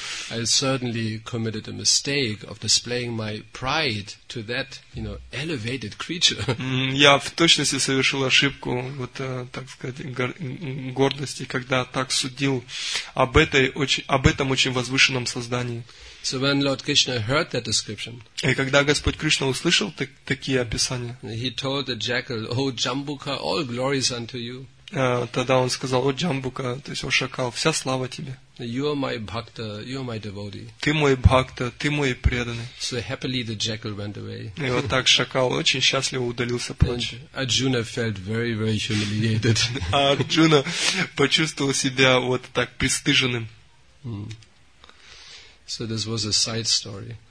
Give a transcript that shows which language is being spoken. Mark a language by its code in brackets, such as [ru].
[en] I certainly committed a mistake of displaying my pride to that, you know, elevated creature. [ru] Я в точности совершил ошибку, вот так сказать, гордости, когда так судил об этой очень, об этом очень возвышенном создании. [en] So when Lord Krishna heard that description, [ru] и когда Господь Кришна услышал такие описания, [en] he told the jackal, "O Jambuka, all glories unto you." [ru] Тогда он сказал, "О Джамбука, то есть о шакал, вся слава тебе." [en] You are my bhakta, you are my devotee. [ru] Ты мой бхакта, ты мой преданный. [en] So happily the jackal went away. [ru] И вот так шакал очень счастливо удалился прочь. [en] Arjuna felt very, very humiliated. [ru] Арджуна почувствовал себя вот так пристыженным. [en] So this was a side story.